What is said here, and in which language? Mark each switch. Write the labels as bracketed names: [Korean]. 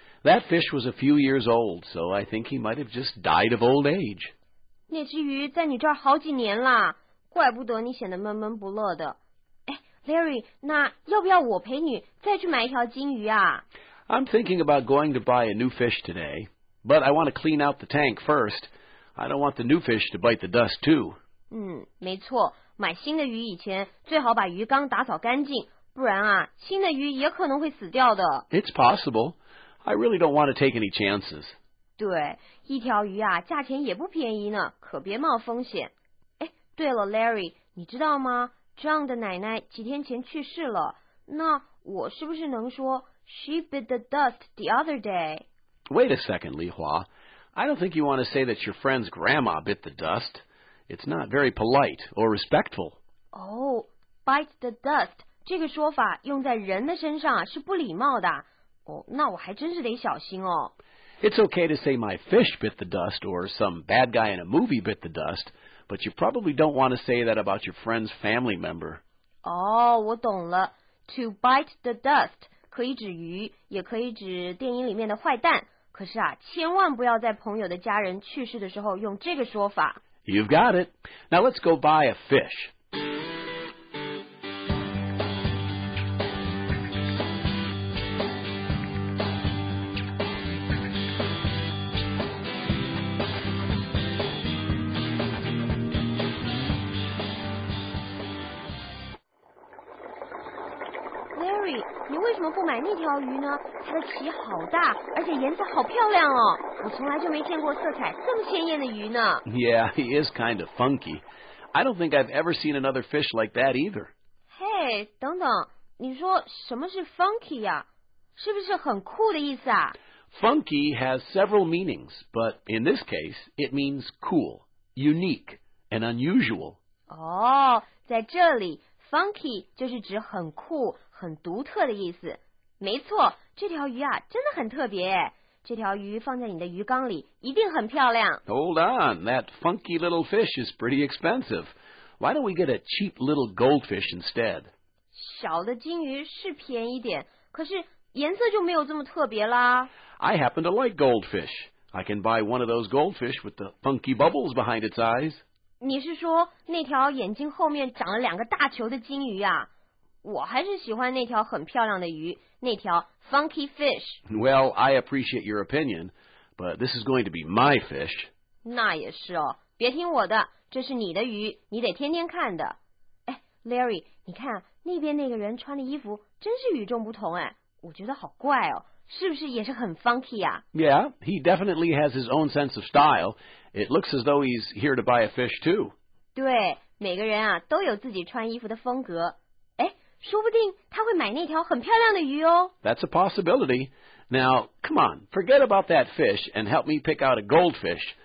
[English] That fish was a few years old, so I think he might have just died of old age. [Chinese] 那只鱼在你这儿好几年了，怪不得你显得闷闷不乐的。 Larry, 那要不要我陪你再去买一条金鱼啊 [English] ？I'm thinking about going to buy a new fish today, but I want to clean out the tank first. I don't want the new fish to bite the dust too. [Chinese] 没错，买新的鱼以前最好把鱼缸打扫干净，不然啊，新的鱼也可能会死掉的。 [English] It's possible. I really don't want to take any chances. [Chinese] 对，一条鱼啊，价钱也不便宜呢，可别冒风险。哎，对了 ，Larry， 你知道吗？ John 的奶奶几天前去世了，那我是不是能说 [English] she bit the dust the other day? Wait a second, Li Hua. I don't think you want to say that your friend's grandma bit the dust. It's not very polite or respectful. Oh, bite the dust. [Chinese] 这个说法用在人的身上是不礼貌的。 Oh, 那我还真是得小心哦。 [English] It's okay to say my fish bit the dust or some bad guy in a movie bit the dust, but you probably don't want to say that about your friend's family member. [Chinese] Oh, 我懂了。 [English] To bite the dust [Chinese] 可以指鱼，也可以指电影里面的坏蛋。可是啊，千万不要在朋友的家人去世的时候用这个说法。 [English] You've got it. Now let's go buy a fish. [Chinese] Larry, 你为什么不买那条鱼呢？它的鳍好大，而且颜色好漂亮哦。我从来就没见过色彩这么鲜艳的鱼呢。 [English] Yeah, he is kind of funky. I don't think I've ever seen another fish like that either. [Chinese] Hey, 等等，你说什么是 funky 呀？是不是很酷的意思啊？ [English] Funky has several meanings, but in this case, it means cool, unique, and unusual. [Chinese] Oh, 在这里 funky 就是指很酷、很独特的意思。没错，这条鱼啊，真的很特别耶。这条鱼放在你的鱼缸里一定很漂亮。 [English] Hold on, that funky little fish is pretty expensive. Why don't we get a cheap little goldfish instead? [Chinese] 小的金鱼是便宜点，可是颜色就没有这么特别啦。 [English] I happen to like goldfish. I can buy one of those goldfish with the funky bubbles behind its eyes. [Chinese] 你是说那条眼睛后面长了两个大球的金鱼啊？我还是喜欢那条很漂亮的鱼，那条 funky fish. [English] Well, I appreciate your opinion, but this is going to be my fish. [Chinese] 那也是哦，别听我的，这是你的鱼，你得天天看的。哎 ，Larry， 你看那边那个人穿的衣服真是与众不同哎，我觉得好怪哦，是不是也是很 funky 啊 [English] ？Yeah, he definitely has his own sense of style. It looks as though he's here to buy a fish too. [Chinese] 对，每个人啊都有自己穿衣服的风格。说不定他会买那条很漂亮的鱼哦。 [English] That's a possibility. Now, come on, forget about that fish and help me pick out a goldfish.